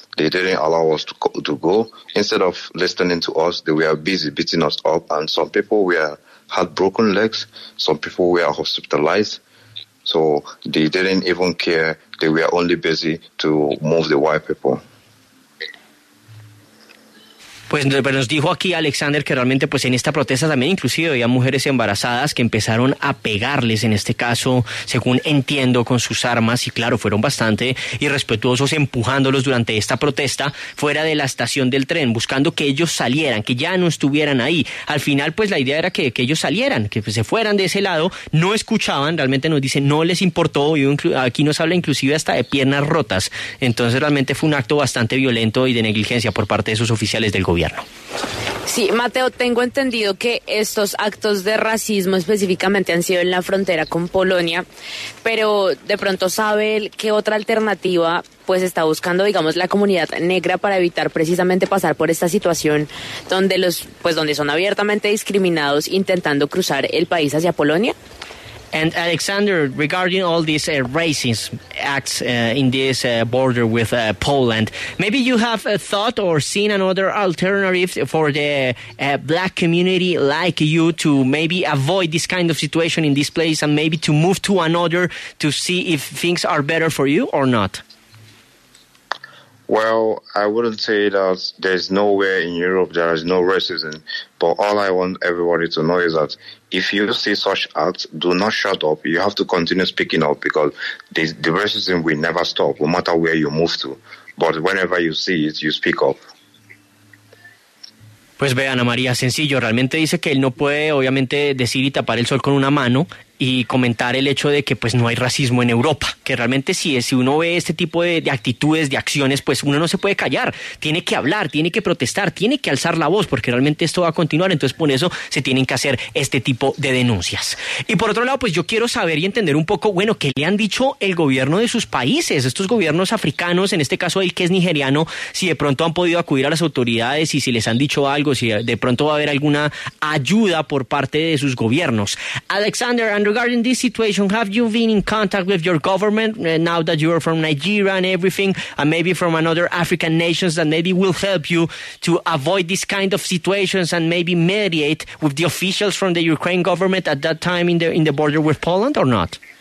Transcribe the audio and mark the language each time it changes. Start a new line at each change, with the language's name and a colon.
English: They didn't allow us to go. Instead of listening to us, they were busy beating us up. And some people had broken legs. Some people were hospitalized. So they didn't even care. They were only busy to move the white people.
Spanish: Pues nos dijo aquí Alexander que realmente pues en esta protesta también inclusive había mujeres embarazadas que empezaron a pegarles, en este caso, según entiendo, con sus armas, y claro, fueron bastante irrespetuosos empujándolos durante esta protesta fuera de la estación del tren, buscando que ellos salieran, que ya no estuvieran ahí. Al final, pues la idea era que ellos salieran, que pues, se fueran de ese lado. No escuchaban, realmente nos dicen, no les importó. Aquí nos habla inclusive hasta de piernas rotas. Entonces realmente fue un acto bastante violento y de negligencia por parte de esos oficiales del gobierno. Sí, Mateo, tengo entendido que estos actos de racismo específicamente han sido en la frontera con Polonia, pero de pronto sabe qué otra alternativa pues está buscando, digamos, la comunidad negra para evitar precisamente pasar por esta situación donde los pues donde son abiertamente discriminados intentando cruzar el país hacia Polonia.
English: And Alexander, regarding all these racist acts in this border with Poland, maybe you have thought or seen another alternative for the black community like you to maybe avoid this kind of situation in this place and maybe to move to another to see if things are better for you or not? Well, I wouldn't say that there's nowhere in Europe there is no racism, but all I want everybody to know is that if you see such acts, do not shut up. You have to continue speaking up, because the racism will never stop, no matter where you move to. But whenever you see it, you speak up.
Spanish: Pues ve, Ana María, sencillo. Realmente dice que él no puede, obviamente, decir y tapar el sol con una mano y comentar el hecho de que pues no hay racismo en Europa, que realmente sí es. Si uno ve este tipo de actitudes, de acciones, pues uno no se puede callar, tiene que hablar, tiene que protestar, tiene que alzar la voz, porque realmente esto va a continuar. Entonces por eso se tienen que hacer este tipo de denuncias. Y por otro lado, pues yo quiero saber y entender un poco, bueno, qué le han dicho el gobierno de sus países, estos gobiernos africanos, en este caso el que es nigeriano, si de pronto han podido acudir a las autoridades y si les han dicho algo, si de pronto va a haber alguna ayuda por parte de sus gobiernos.
English: Alexander, regarding this situation, have you been in contact with your government now that you are from Nigeria and everything, and maybe from another African nations that maybe will help you to avoid this kind of situations and maybe mediate with the officials from the Ukraine government at that time in the border with Poland or not?